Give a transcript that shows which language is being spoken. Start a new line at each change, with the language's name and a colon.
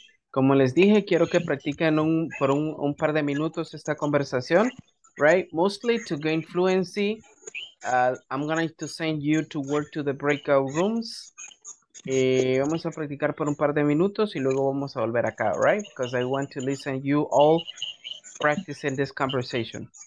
Spanish: Como les dije, quiero que practiquen por un par de minutos esta conversación, right?
English: Mostly to gain fluency, I'm going to send you to work to the breakout rooms.
Spanish: Vamos a practicar por un par de minutos y luego vamos a volver acá, right?
English: Because I want to listen you all practicing this conversation.